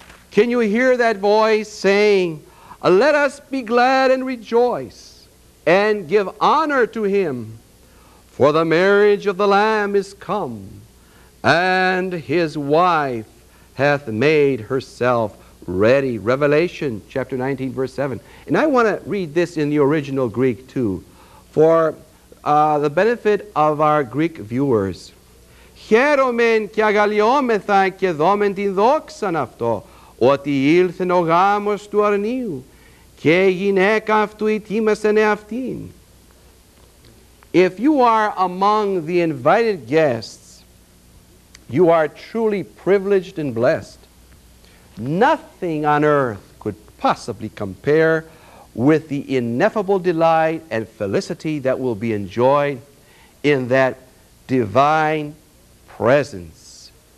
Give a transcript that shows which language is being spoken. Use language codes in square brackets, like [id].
[en] Can you hear that voice saying, let us be glad and rejoice and give honor to Him, for the marriage of the Lamb is come, and His wife hath made herself ready. Revelation chapter 19, verse 7. And I want to read this in the original Greek too, for the benefit of our Greek viewers. [el] Χαίρομεν και αγαλλιόμεθα και δόμεν την δόξαν αυτό, ότι ήλθεν ο γάμος του αρνίου, και η γυναίκα αυτού ετοίμασεν εαυτήν. [en] If you are among the invited guests, you are truly privileged and blessed. Nothing on earth could possibly compare with the ineffable delight and felicity that will be enjoyed in that divine presence.